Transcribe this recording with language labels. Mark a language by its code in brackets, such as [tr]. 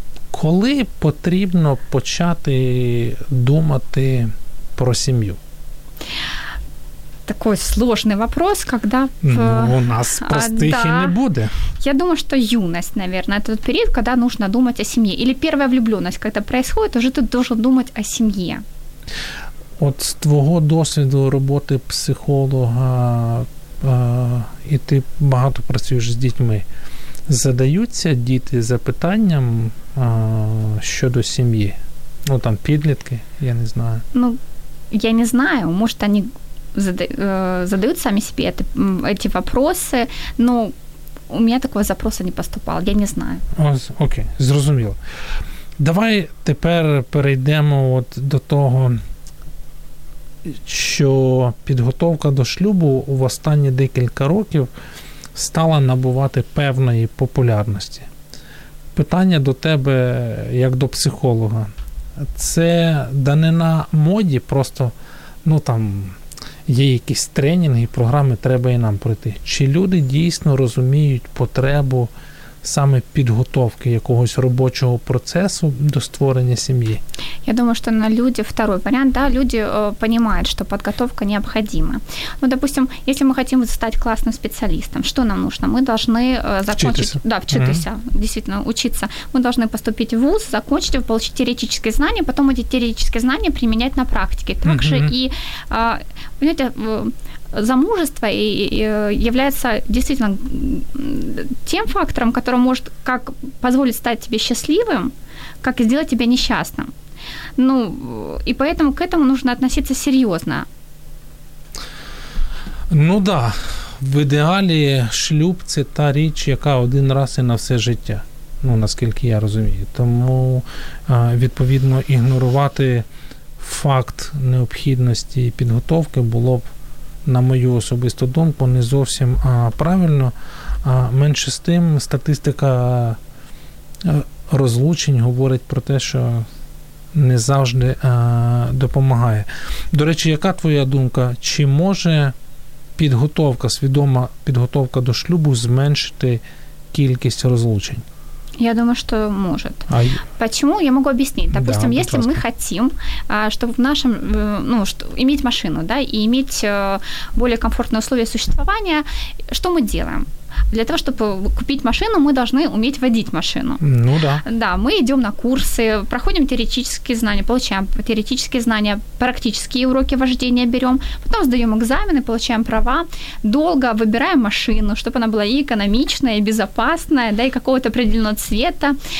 [uk] Коли потрібно почати думати про сім'ю? [ru] Такой сложный вопрос, когда... у нас простых не будет. Я думаю, что юность, наверное, это тот период, когда нужно думать о семье. Или первая влюбленность, когда происходит, уже ты должен думать о семье. [uk] От с твоего досвіду роботи психолога, і ти багато працюєш з дітьми, задаються діти запитанням щодо сім'ї? Ну, там, підлітки, я не знаю. Я не знаю, може, вони задають самі собі ці питання, але у мене такого запросу не поступало, я не знаю. Окей, зрозуміло. Давай тепер перейдемо до того, що підготовка до шлюбу в останні декілька років стала набувати певної популярності. Питання до тебе, як до психолога. Це данина моді, просто є якісь тренінги, програми, треба і нам пройти. Чи люди дійсно розуміють потребу саме підготовки якогось робочого процесу до створення сім'ї? [ru] Я думаю, что на люди, второй вариант, да, люди понимают, что подготовка необходима. Ну, допустим, если мы хотим стать классным специалистом, что нам нужно? Мы должны вчитываться, действительно, учиться. Мы должны поступить в ВУЗ, закончить его, получить теоретические знания, потом эти теоретические знания применять на практике. Также понимаете, замужество и является действительно тем фактором, который может как позволить стать тебе счастливым, как и сделать тебя несчастным. Ну, и поэтому к этому нужно относиться серьезно. [uk] Ну да, в идеале шлюб – это та річ, яка один раз и на все життя, наскільки я розумію. Тому, відповідно, ігнорувати факт необхідності підготовки було б, на мою особисту думку, не зовсім правильно. Менше з тим, статистика розлучень говорить про те, що не завжди допомагає. До речі, яка твоя думка? Чи може підготовка, свідома підготовка до шлюбу зменшити кількість розлучень? [ru] Я думаю, что может. Почему? Я могу объяснить. Допустим, если мы хотим, чтобы в нашем, иметь машину, да, и иметь более комфортные условия существования, что мы делаем? Для того, чтобы купить машину, мы должны уметь водить машину. Ну да. Да, мы идем на курсы, проходим теоретические знания, получаем теоретические знания, практические уроки вождения берем, потом сдаем экзамены, получаем права, долго выбираем машину, чтобы она была и экономичная, и безопасная, да, и какого-то определенного цвета.